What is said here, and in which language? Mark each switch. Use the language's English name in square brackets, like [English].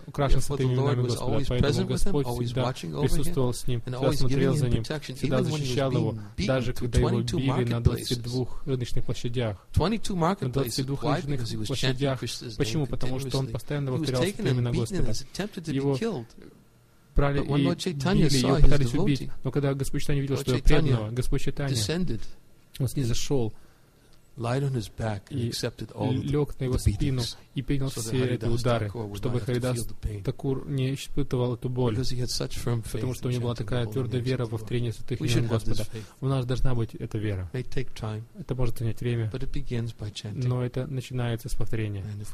[Russian] украшен святыми именами Господа, поэтому Господь всегда присутствовал с ним, всегда смотрел за ним, всегда защищал его, даже когда его били на 22 рыночных площадях. На 22 рыночных площадях. Почему? Потому что он постоянно повторял святыми именами Господа. Его брали и били, его пытались убить. Но когда Господь Чайтанья видел, что его преданного, Господь Чайтанья, он снизошел, [English] lied on his back and accepted all the beatings. [Russian] Лег на его спину и принял все эти удары, чтобы Харидас Такур не испытывал эту боль, потому что у него была такая твердая вера во вторение святых имен Господа. У нас должна быть эта вера. Это может занять время, но это начинается с повторения.